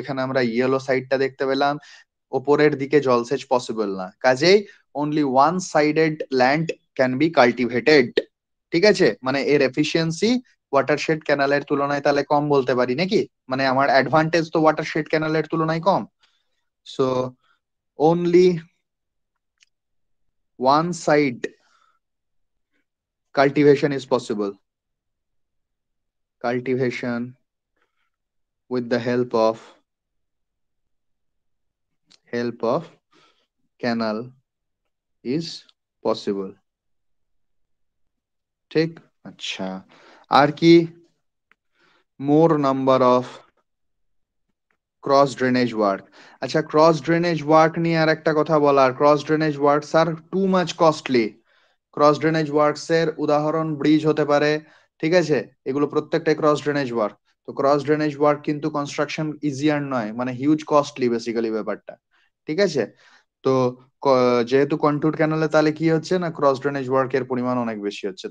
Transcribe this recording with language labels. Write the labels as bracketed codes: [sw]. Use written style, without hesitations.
[bn] এখানে আমরা ইয়েলো সাইডটা দেখতে পেলাম, ওপরের দিকে জলসেচ পসিবল না। [en] কাজেই only one sided land can be cultivated. [bn] ঠিক আছে, মানে এর এফিসিয়েন্সি ওয়াটারশেড ক্যানালের তুলনায় তাহলে কম বলতে পারি নাকি? মানে আমার অ্যাডভান্টেজ তো ওয়াটারশেড ক্যানালের তুলনায় কম। [en] So only one side cultivation is possible, cultivation with the help of canal is possible. [bn] ঠিক আচ্ছা, আর কি? [en] more number of cross drainage work. [bn] আচ্ছা, [en] cross drainage work [bn] নিয়ে আর একটা কথা বলার, [en] cross drainage works are too much costly. [bn] cross drainage works এর উদাহরণ bridge হতে পারে, ঠিক আছে? এগুলো প্রত্যেকটা ক্রস ড্রেনেজ ওয়ার্ক। তো ক্রস ড্রেনেজ ওয়ার্ক কিন্তু কনস্ট্রাকশন ইজিয়ার নয়, মানে হিউজ কস্টলি বেসিক্যালি ব্যাপারটা। ঠিক আছে, তো যেহেতু কন্টুর ক্যানালে, তাহলে কি হচ্ছে না, ক্রস ড্রেনেজ ওয়ার্ক এর পরিমাণ অনেক বেশি হচ্ছে।